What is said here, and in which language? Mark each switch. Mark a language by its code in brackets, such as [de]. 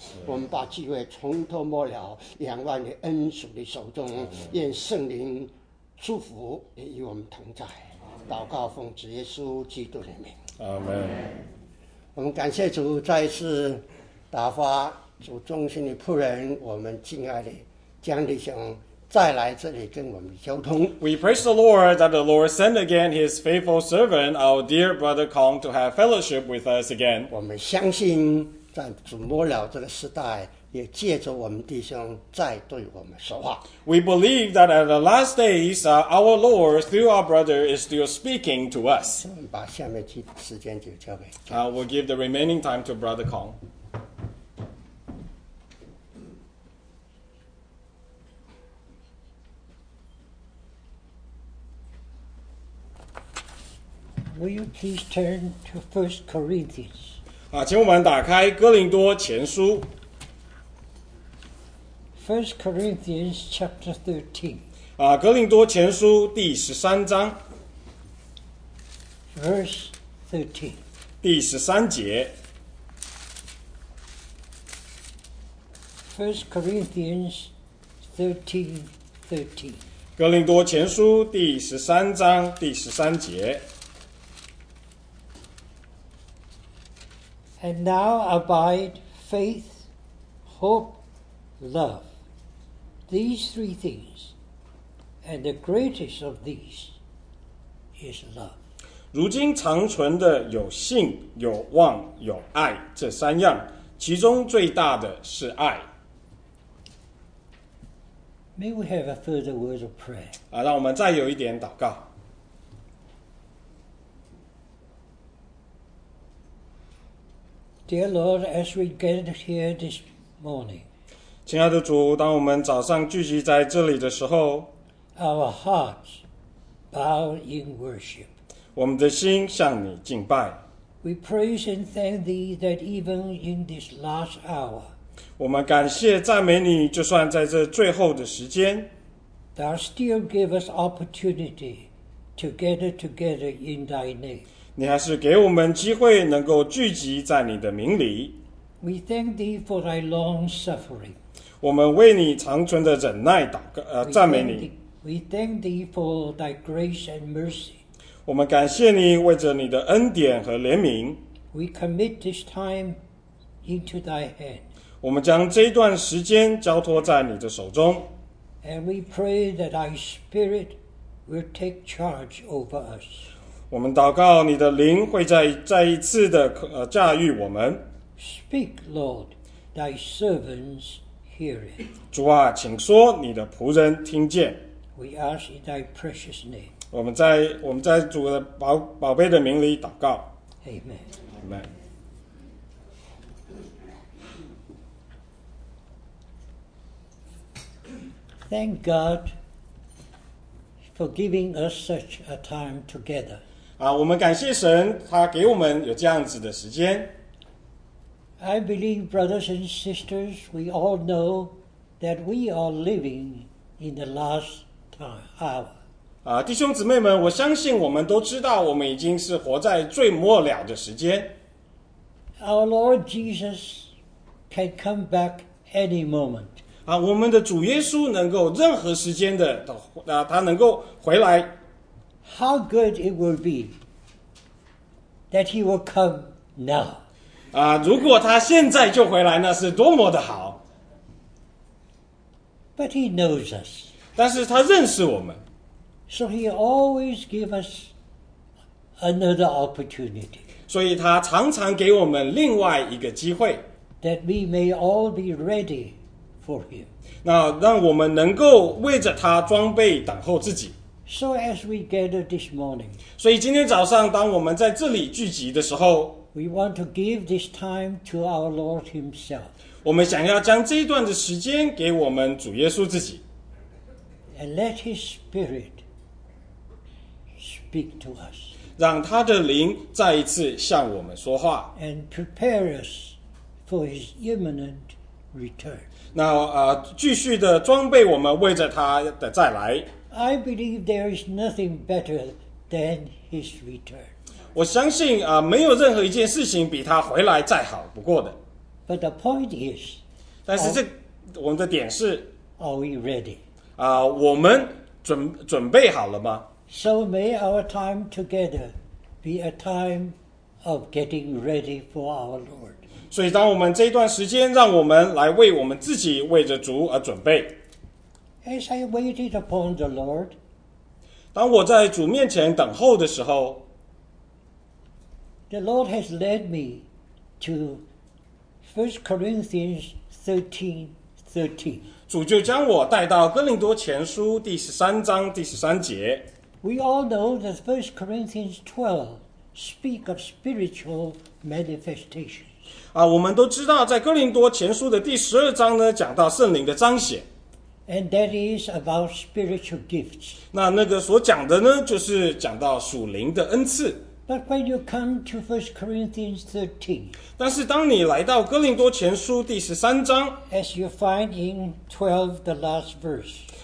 [zh] 我们把机会从头摸了，仰望你恩主的手中，愿圣灵祝福也与我们同在。祷告奉主耶稣基督的名，阿门。我们感谢主，再次打发主忠心的仆人，我们敬爱的江弟兄再来这里跟我们交通。 [en] We praise the Lord that the Lord sent again His faithful servant, our dear brother Kong, to have fellowship with us again. [zh] 我们相信，在主末了这个时代，也借着我们弟兄再对我们说话。 [en] We believe that at the last days, our Lord through our brother is still speaking to us. [zh] 我们把下面几时间就交给。 [en] We'll give the remaining time to brother Kong. Will you please turn to 1 Corinthians? [zh] 请我们打开哥林多前书。 [en] 1 Corinthians chapter 13. [zh] 哥林多前书第十三章。 [en] Verse 13. [zh] 第十三节。 [en] 1 Corinthians 13:13. [zh] 哥林多前书第十三章第十三节。 [en] And now abide faith, hope, love, these three things, and the greatest of these is love. [zh] 如今长存的有信、有望、有爱这三样，其中最大的是爱。 [en] May we have a further word of prayer? [zh] 让我们再有一点祷告。 [en] Dear Lord, as we gather here this morning, [zh] 亲爱的主，当我们早上聚集在这里的时候， [en] our hearts bow in worship. [zh] 我们的心向你敬拜。 [en] We praise and thank thee that even in this last hour, [zh] 我们感谢赞美你，就算在这最后的时间， [en] thou still give us opportunity to gather together in thy name. [zh] 你还是给我们机会能够聚集在你的名里。 [en] We thank thee for thy long suffering. [zh] 我们为你长存的忍耐祷告，赞美你。 [en] We thank thee for thy grace and mercy. [zh] 我们感谢你为着你的恩典和怜悯。 [en] We commit this time into thy hand. [zh] 我们将这段时间交托在你的手中。 [en] And we pray that thy spirit will take charge over us. [zh] 我们祷告你的灵会 再一次的驾驭我们。 [en] Speak, Lord, thy servants hear it. [zh] 主啊，请说，你的仆人听见。 [en] We ask in thy precious name. [zh] 我们在主的 宝贝的名里祷告。 [en] Amen. Amen. Thank God for giving us such a time together. [zh] 我们感谢神，他给我们有这样子的时间。 [en] I believe, brothers and sisters, we all know that we are living in the last time, hour. [zh] 弟兄姊妹们，我相信我们都知道，我们已经是活在最末了的时间。 [en] Our Lord Jesus can come back any moment. [zh] 我们的主耶稣能够任何时间的，他能够回来。 [en] How good it will be that he will come now. [zh] 如果他现在就回来，那是多么的好。 [en] But he knows us. [zh] 但是他认识我们。 [en] So he always gives us another opportunity. [zh] 所以他常常给我们另外一个机会。 [en] That we may all be ready for him. [zh] 那让我们能够为着他装备等候自己。 [en] So as we gather this morning, [zh] 所以今天早上当我们在这里聚集的时候 [en] we want to give this time to our Lord himself. [zh] 我们想要将这一段的时间给我们主耶稣自己 [en] and let his spirit speak to us. [zh] 让他的灵再一次向我们说话 [en] and prepare us for his imminent return. [zh] 那继续的装备我们为着他的再来。 [en] I believe there is nothing better than his return. [zh] 我相信没有任何一件事情比他回来再好不过的。 [en] But the point is, [zh] 但是这我们的点是 [en] Are we ready? [zh] 我们准备好了吗？ [en] So may our time together be a time of getting ready for our Lord. [zh] 所以当我们这一段时间让我们来为我们自己为着主而准备。 [en] As I waited upon the Lord, [zh] 当我在主面前等候的时候 [en] the Lord has led me to 1 Corinthians 13:13. [zh] 主就将我带到哥林多前书第十三章第十三节。 [en] We all know that 1 Corinthians 12 speak of spiritual manifestations. [zh] 我们都知道在哥林多前书的第十二章呢讲到圣灵的彰显。 [en] And that is about spiritual gifts. [zh] 那个所讲的呢，就是讲到属灵的恩赐。 [en] But when you come to 1 Corinthians 13, [zh] 但是当你来到哥林多前书第十三章 [en] as you find in 12, the last verse,